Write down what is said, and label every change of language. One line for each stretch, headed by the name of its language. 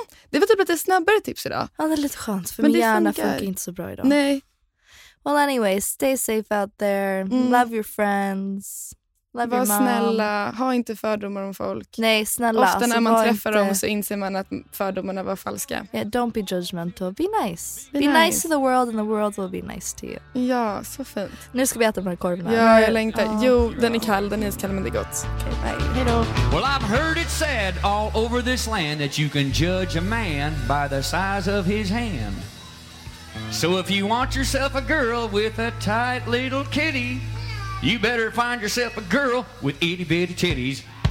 Swedish: Det var typ lite snabbare tips idag. Ja, det är lite skönt, för min hjärna funkar inte så bra idag. Nej.
English: Well anyway, stay safe out there. Love your friends.
Swedish: Var snälla, ha inte fördomar om folk. Nej, snälla. Ofta när man träffar dem så inser man att fördomarna var falska.
English: Yeah, don't be judgmental, be nice. Be nice to the world and the world will be nice to you.
Swedish: Ja, så fint. Nu ska vi äta de här korvarna. Ja, jag längtar. Jo, den är kall, den är iskall, men det är gott.
English: Okay, bye. Hejdå. Well, I've heard it said all over this land that you can judge a man by the size of his hand. So if you want yourself a girl with a tight little kitty, you better find yourself a girl with itty bitty titties.